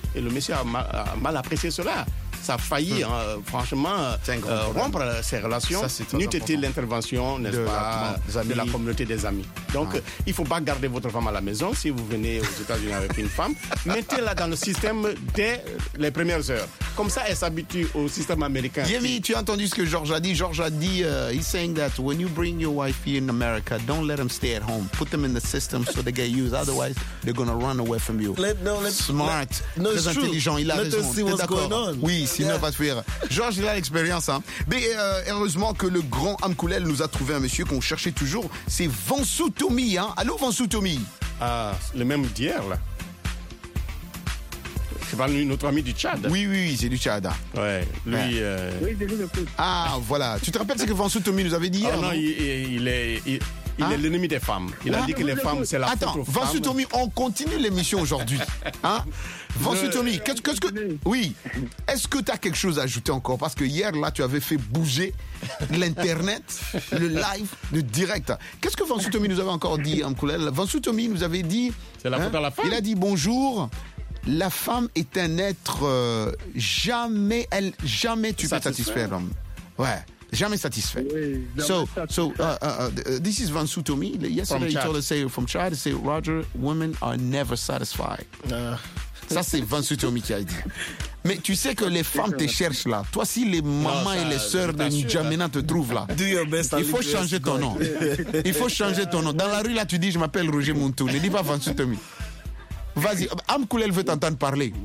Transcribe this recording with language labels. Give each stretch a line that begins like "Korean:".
French: Et le monsieur a mal apprécié cela. Ça a failli, hein, franchement, rompre ses relations. N'eût été l'intervention, de la communauté des amis. Donc, il ne faut pas garder votre femme à la maison si vous venez aux États-Unis avec une femme. Mettez-la dans le système dès les premières heures. Comme ça, elle s'habitue au système américain. Jimmy, tu as entendu ce que George a dit? George a dit,
English: he's saying that when you bring your wife here in America, don't let them stay at home. Put them in the system so they get used. Otherwise, they're going to run away from you. Smart. No,
French: très intelligent. Il a
English: let
French: raison.
English: Let us see what's
French: d'accord.
English: going on.
French: Oui. Sinon, pas de rire. Georges, il a l'expérience. Hein. Mais heureusement que le grand Amkoulel nous a trouvé un monsieur qu'on cherchait toujours. C'est Vansou Tommy. Hein. Allô, Vansou Tommy. Ah, le même d'hier, là. C'est pas notre ami du Tchad. Oui, oui, c'est du Tchad. Ouais, lui. Ouais. Oui, c'est lui le plus. Ah, voilà. Tu te rappelles ce que Vansou Tommy nous avait dit hier? Oh, non, il est l'ennemi des femmes. Il a dit que les femmes, c'est la femme. Attends, Vansou Tommy, on continue l'émission aujourd'hui. Hein? Vansou Tommy, qu'est-ce que. Oui. Est-ce que tu as quelque chose à ajouter encore? Parce que hier, là, tu avais fait bouger l'Internet, le live, le direct. Qu'est-ce que Vansou Tommy nous avait encore dit, Amkoulel? Vansou Tommy nous avait dit. C'est la faute à la femme. Il a dit bonjour. La femme est un être. Jamais tu peux satisfaire l'homme. Ouais. Jamais satisfait. Oui, jamais
English: this is Vansou Tommy. Yesterday he told us say from Chad, say Roger, women are never satisfied.
French: Ça c'est Vansou Tommy qui a dit. Mais tu sais que les femmes te cherchent là. Toi si les mamans et les sœurs de N'Djamena te trouvent là.
English: Do your best.
French: Il faut changer ton nom. Il faut changer ton nom. Dans la rue là tu dis je m'appelle Roger Muntu. Ne dis pas Vansou Tommy. Vas-y. Amkoulel veut t'entendre parler.